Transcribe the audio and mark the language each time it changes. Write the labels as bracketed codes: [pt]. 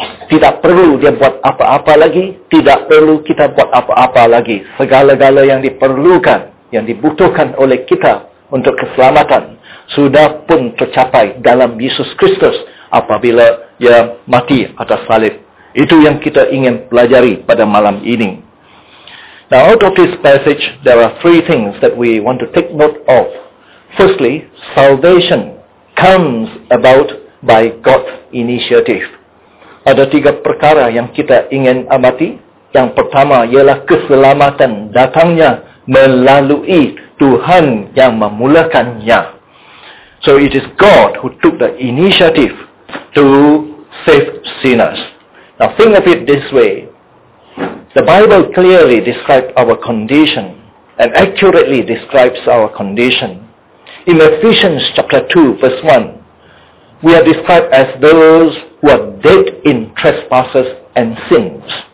[ms] Tidak perlu dia buat apa-apa lagi, tidak perlu kita buat apa-apa lagi. Segala-gala yang diperlukan, yang dibutuhkan oleh kita untuk keselamatan, sudah pun tercapai dalam Yesus Kristus apabila ia mati atas salib. Itu yang kita ingin pelajari pada malam ini. [en] Now, out of this passage, there are three things that we want to take note of. Firstly, salvation comes about by God's initiative. [ms] Ada tiga perkara yang kita ingin amati. Yang pertama ialah keselamatan datangnya melalui Tuhan yang memulakannya. [en] So it is God who took the initiative to save sinners. Now think of it this way. The Bible clearly describes our condition and accurately describes our condition. In Ephesians chapter 2 verse 1, we are described as those who are dead in trespasses and sins.